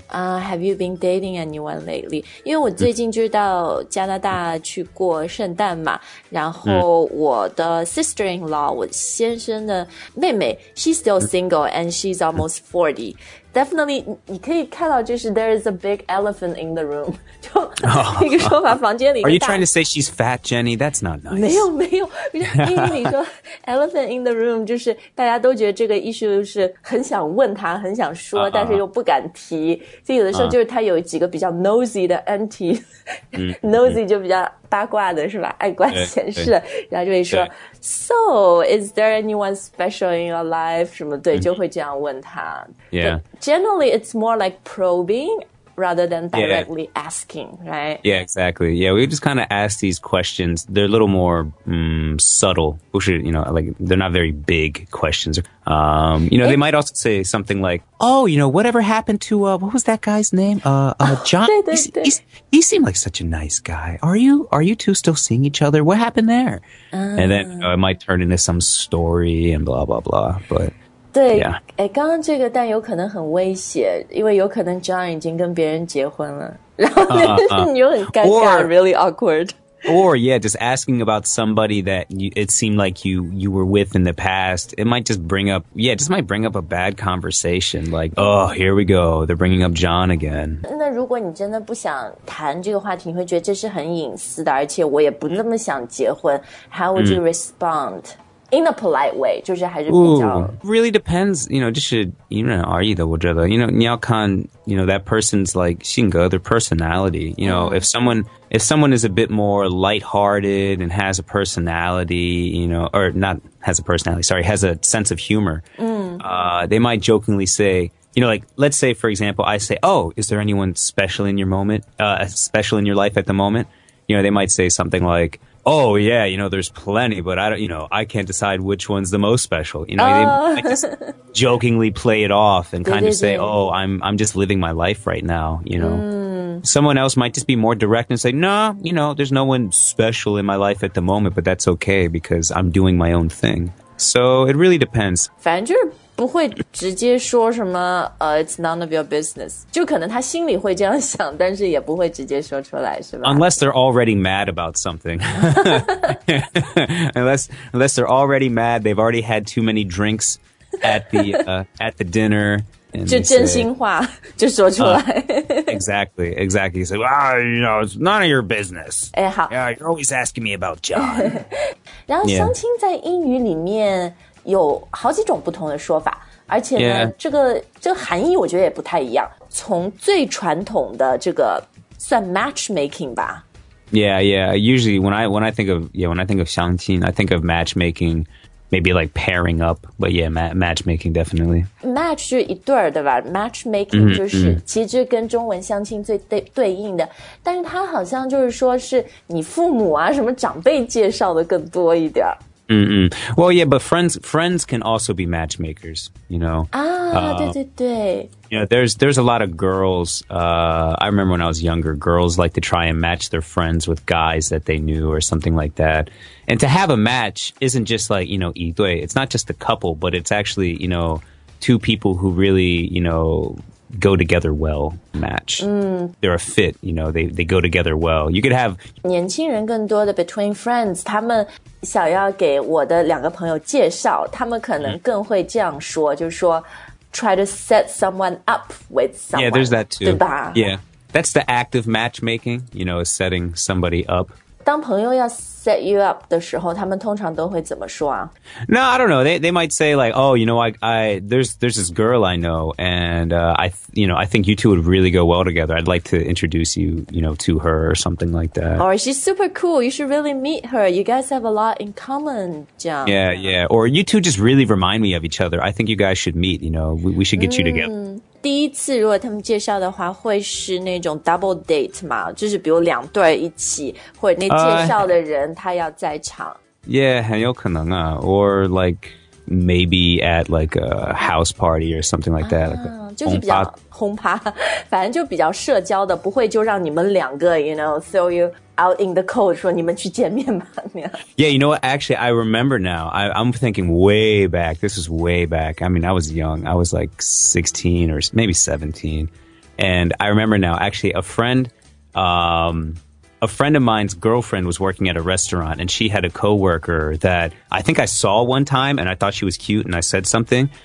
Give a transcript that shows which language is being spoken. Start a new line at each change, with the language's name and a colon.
English: have you been dating anyone lately
Chinese: 因为我最近就到加拿大去过圣诞嘛然后我的
English: sister-in-law
Chinese: 我先生的妹妹
English: she's still single and she's almost 40Definitely,
Chinese: 你可以看到就是
English: there is a big elephant in the room.
Chinese: 就一个说法房间里。
English: Are you trying to say she's fat, Jenny? That's not nice.
Chinese: 没有没有。英语里说
English: elephant in the room,
Chinese: 就是大家都觉得这个issue是很想问他很想说但是又不敢提。所以有的时候就是他有几个比较 nosy 的 auntie, nosy 就比较八卦的是吧爱管闲事。然后就会说
English: So, is there anyone special in your life?
Chinese: 什么对就会这样问他。
English: Yeah. Generally, it's more like probing rather than directly asking, right? Yeah, exactly. Yeah, we just kind of ask these questions. They're a little more subtle, which are, you know, like they're not very big questions. You know, they might also say something like, oh, you know, whatever happened to, what was that guy's name? John, he seemed like such a nice guy. Are you two still seeing each other? What happened there? And then you know, it might turn into some story and blah, blah, blah. But
Chinese: 对、
English: yeah.
Chinese: 诶刚刚这个但有可能很威胁因为有可能 John 已经跟别人结婚了然后你又很尴尬
English: really awkward. Or, yeah, just asking about somebody that it seemed like you were with in the past. It might just bring up, yeah, just might bring up a bad conversation. Like, oh, here we go. They're bringing up John again.
Chinese: 那如果你真的不想谈这个话题你会觉得这是很隐私的而且我也不那么想结婚
English: How would you respond? In a polite way,
Chinese: 就是还是比较
English: Ooh, really depends, you know,
Chinese: 就是因人而异的我觉得
English: you know,
Chinese: 你要看
English: you know, that person's like 性格 their personality, you know, if someone is a bit more lighthearted and has a personality, you know, or not has a personality, sorry, has a sense of humor, they might jokingly say, you know, like, let's say, for example, I say, oh, is there anyone special in your moment, special in your life at the moment? You know, they might say something like,Oh, yeah, you know, there's plenty, but I don't, you know, I can't decide which one's the most special. You know, I just jokingly play it off and kind of say, oh, I'm just living my life right now, you know. Someone else might just be more direct and say, nah, you know, there's no one special in my life at the moment, but that's okay because I'm doing my own thing. So it really depends.
Chinese: 反正就是不会直接说什么
English: it's none of your business.
Chinese: 就可能他心里会这样想但是也不会直接说出来是吧
English: Unless they're already mad about something. unless they're already mad, they've already had too many drinks at the dinner. And
Chinese: 就真心话就说出来。
English: Exactly, exactly. So, you know, it's none of your business.
Chinese: 哎好。
English: Yeah, you're always asking me about John.
Chinese: 然后相亲在英语里面有好几种不同的说法而且呢、这个含义我觉得也不太一样从最传统的这个算 matchmaking 吧
English: Yeah, yeah, usually when I think of 相亲 I think of matchmaking, maybe like pairing up, but yeah, matchmaking definitely
Chinese: Match 就是一对儿对吧 matchmaking 就是其实跟中文相亲最 对应的但是它好像就是说是你父母啊什么长辈介绍的更多一点 Mm-mm.
English: Well, yeah, but friends can also be matchmakers, you know.
Chinese: Ah, 对对对。
English: You know, there's a lot of girls, I remember when I was younger, girls like to try and match their friends with guys that they knew or something like that. And to have a match isn't just like, you know, 一对, it's not just a couple, but it's actually, you know, two people who really, you know... go together well match they're a fit you know they go together well you could have
Chinese: 年轻人更多的
English: between friends
Chinese: 他们想要给我的两个朋友介绍他们可能更会这样说、mm. 就是说
English: try to set someone up with someone yeah there's that too
Chinese: 对吧
English: yeah that's the act of matchmaking you know setting somebody up
Chinese: 当朋友要
English: set you up
Chinese: 的时候他们通常都会怎么说啊
English: no I don't know they might say like oh you know I there's this girl I know and I think you two would really go well together I'd like to introduce you you know to her or something like that or she's super cool you should really meet her you guys have a lot in common
Chinese: 这样
English: yeah yeah or you two just really remind me of each other I think you guys should meet you know we should get you together
Chinese: 第一次如果他们介绍的话会是那种 double date 嘛就是比如两对一起或者那介绍的人他要在场
English: Yeah,
Chinese: 很有可能啊
English: Or like maybe at like a house party or something like that、
Chinese: 就是比较轰趴反正就比较社交的不会就让你们两个
English: you know, throw you out in the cold
Chinese: 说你们去见面吧
English: Yeah, you know what, actually I remember now I'm thinking way back, this is way back I mean, I was young, I was like 16 or maybe 17 And I remember now, actually a friend of mine's girlfriend was working at a restaurant and she had a coworker that I think I saw one time and I thought she was cute and I said something.